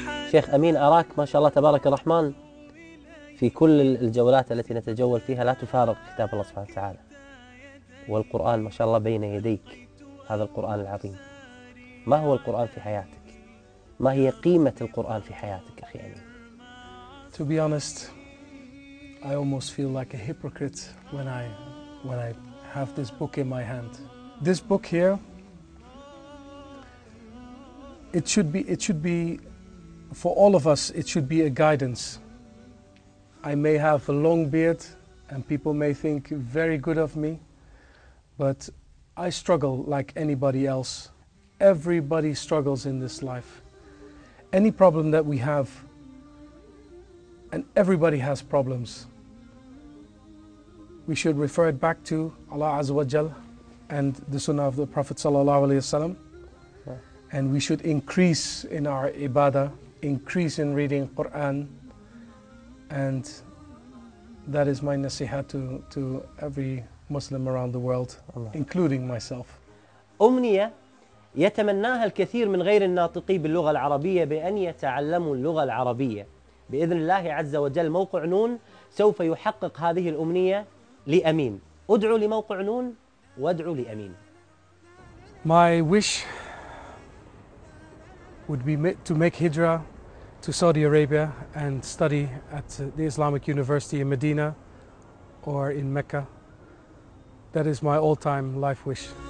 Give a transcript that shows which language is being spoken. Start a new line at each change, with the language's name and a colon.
Arabic: شيخ أمين، أراك ما شاء الله تبارك الرحمن في كل الجولات التي نتجول فيها لا تفارق كتاب الله سبحانه وتعالى، والقرآن ما شاء الله بين يديك، هذا القرآن العظيم. ما هو القرآن في حياتك؟ ما هي قيمة القرآن في حياتك أخي أمين؟
English: To be honest, I almost feel like a hypocrite when I have this book in my hand. This book here, it should be for all of us, it should be a guidance. I may have a long beard and people may think very good of me, but I struggle like anybody else. Everybody struggles in this life. Any problem that we have, and everybody has problems, we should refer it back to Allah Azza wa Jal and the Sunnah of the Prophet Sallallahu Alaihi Wasallam. And we should increase in our ibadah, increase in reading Quran, and that is my nasihat to every Muslim around the world, Allah, including myself.
Arabic: أمنية يتمناها الكثير من غير الناطقين باللغة العربية بأن يتعلموا اللغة العربية بإذن الله عز وجل. موقع نون سوف يحقق هذه الأمنية لأمين. أدعو لموقع نون وأدعو لأمين.
English: My wish would be to make hijra to Saudi Arabia and study at the Islamic University in Medina or in Mecca. That is my all-time life wish.